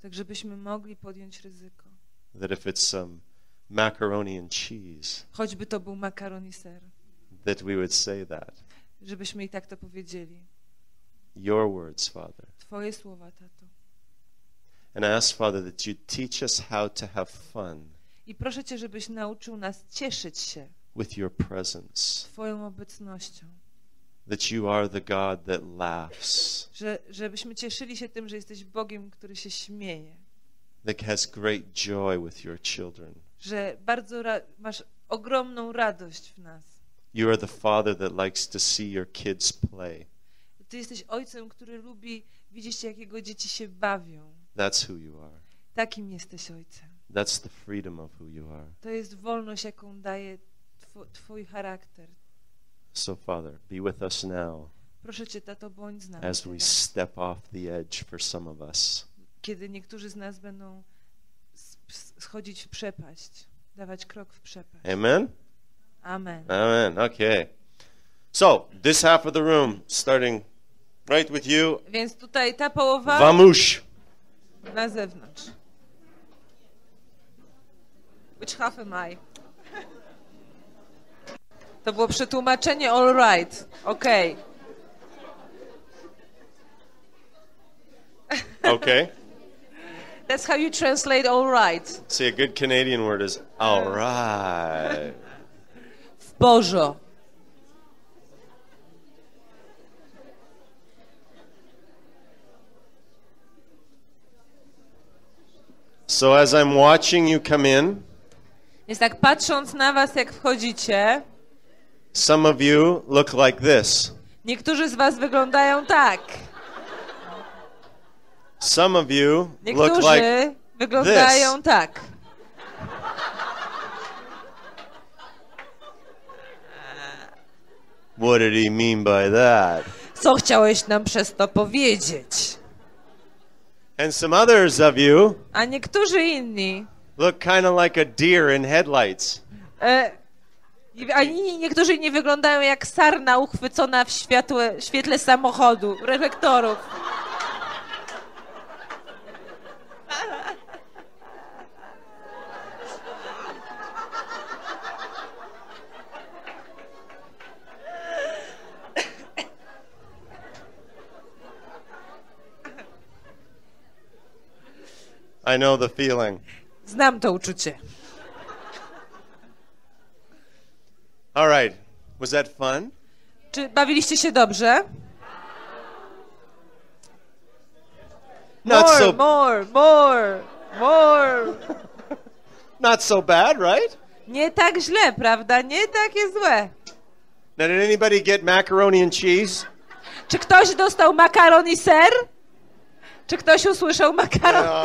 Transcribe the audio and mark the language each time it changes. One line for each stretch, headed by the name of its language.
Polish: Tak żebyśmy mogli podjąć ryzyko.
English: That if it's macaroni and cheese.
Polish: Choćby to był makaron i ser.
English: That we would say that.
Polish: Żebyśmy i tak to powiedzieli.
English: Your words, Father.
Polish: Twoje słowa, Tato.
English: And I ask, Father, that you teach us how to have fun.
Polish: I proszę Cię, żebyś nauczył nas cieszyć się.
English: With your presence.
Polish: Twoją obecnością.
English: That you are the God that laughs.
Polish: Żebyśmy cieszyli się tym, że jesteś Bogiem, który się śmieje.
English: That has great joy with your children.
Polish: Że bardzo masz ogromną radość w nas.
English: You are the father that likes to see your kids play.
Polish: Ty jesteś ojcem, który lubi widzieć, jak jego dzieci się bawią.
English: That's who you are.
Polish: Takim jesteś ojcem.
English: That's the freedom of who you are.
Polish: To jest wolność, jaką daje twój charakter.
English: So Father, be with us now.
Polish: Proszę Cię, Tato, bądź z nami.
English: As we step off the edge for some of us.
Polish: Kiedy niektórzy z nas będą schodzić w przepaść, dawać krok w przepaść.
English: Amen.
Polish: Amen.
English: Amen. Okay. So this half of the room, starting right with you.
Polish: Więc tutaj ta połowa. Vamush. Na zewnątrz.
English: Which half am I?
Polish: To było przetłumaczenie.
English: All right. Okay. Okay. That's how you translate all right. See, a good Canadian word is all right. W bożo. So as I'm watching you come in,
Polish: jest tak, patrząc na was, jak wchodzicie,
English: some of you look like this.
Polish: Niektórzy z was wyglądają tak.
English: Some of you look like
Polish: wyglądają
English: this.
Polish: Tak.
English: What did he mean by that?
Polish: Co chciałeś nam przez to powiedzieć?
English: And some others of you.
Polish: A niektórzy inni.
English: Look kind of like a deer in headlights.
Polish: A niektórzy inni wyglądają jak sarna uchwycona w świetle samochodu, reflektorów.
English: I know the feeling.
Polish: Znam to uczucie.
English: All right. Was that fun?
Polish: Czy bawiliście się dobrze?
English: Not more, so more, more, more. Not so bad, right?
Polish: Nie tak źle, prawda? Nie takie złe.
English: Now, did anybody get macaroni and cheese?
Polish: Czy ktoś dostał makaron i ser? Czy ktoś usłyszał makaron?